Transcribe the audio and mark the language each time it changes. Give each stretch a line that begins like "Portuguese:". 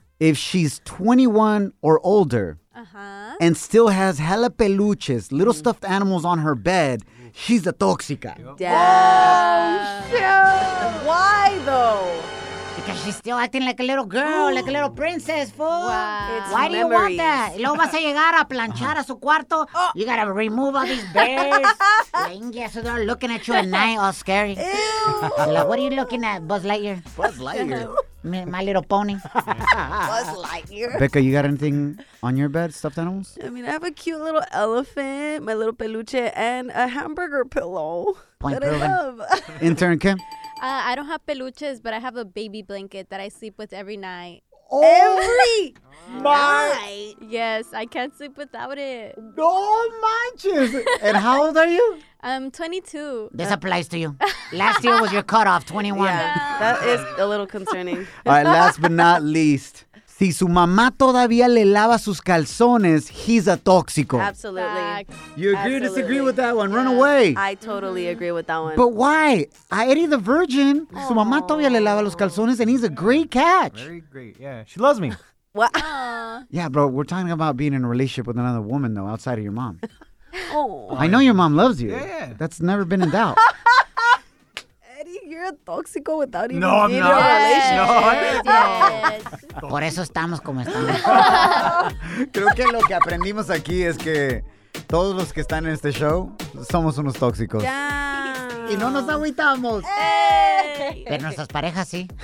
English: If she's 21 or older and still has hella peluches, little stuffed animals on her bed, she's a toxica. Yep. Damn. Oh, why, though? Because she's still acting like a little girl, like a little princess, fool. Wow. Why do you want that?
Spanish: Y luego vas a llegar a planchar a su cuarto.
English: Oh. You gotta remove all these bears. So they're looking at you at night all scary. Ew. Like, what are you looking at, Buzz Lightyear? Buzz Lightyear? My little pony. Buzz Lightyear. Becca, you got anything on your bed, stuffed animals? I mean, I have a cute little elephant, my little peluche, and a hamburger pillow. Point that proven. I love. Intern Kim? I don't have peluches, but I have a baby blanket that I sleep with every night. every night. Yes, I can't sleep without it.
Spanish: No manches.
English: And how old are you? I'm 22. This applies to you. Last year was your cutoff, 21. Yeah. That is a little concerning. All right, last but not least.
Spanish: Si su mamá todavía le lava sus calzones,
English: he's a tóxico. Absolutely. You agree or disagree with that one? Yeah. Run away. I totally agree with that one. But why? Eddie the Virgin, aww,
Spanish: su mamá todavía le lava los calzones,
English: and he's a great catch. Very great, yeah. She loves me. What? Yeah, bro, we're talking about being in a relationship with another woman, though, outside of your mom. Oh. I know your mom loves you. Yeah, yeah. That's never been in doubt. You're toxico without even being in a relationship. No, no.
Spanish: Por eso estamos como estamos. Creo que lo que aprendimos aquí es que todos los que están en este show somos unos tóxicos.
English: Yeah.
Spanish: Y no nos agüitamos.
English: Hey.
Spanish: Pero nuestras parejas sí.